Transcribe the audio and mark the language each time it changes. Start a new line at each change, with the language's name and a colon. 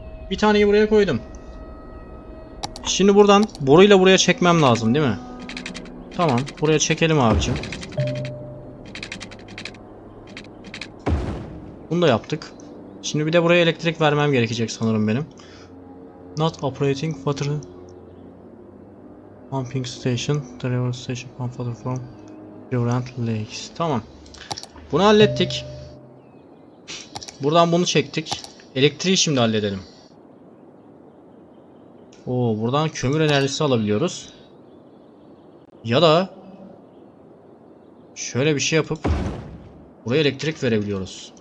Turkish: Bir taneyi buraya koydum. Şimdi buradan boruyla buraya çekmem lazım, değil mi? Tamam, buraya çekelim abicim. Bunu da yaptık. Şimdi bir de buraya elektrik vermem gerekecek sanırım benim.
English: Not operating water pumping station, driver station pump water from different lakes.
Turkish: Tamam. Bunu hallettik. Buradan bunu çektik. Elektriği şimdi halledelim. Oo, buradan kömür enerjisi alabiliyoruz. Ya da şöyle bir şey yapıp buraya elektrik verebiliyoruz.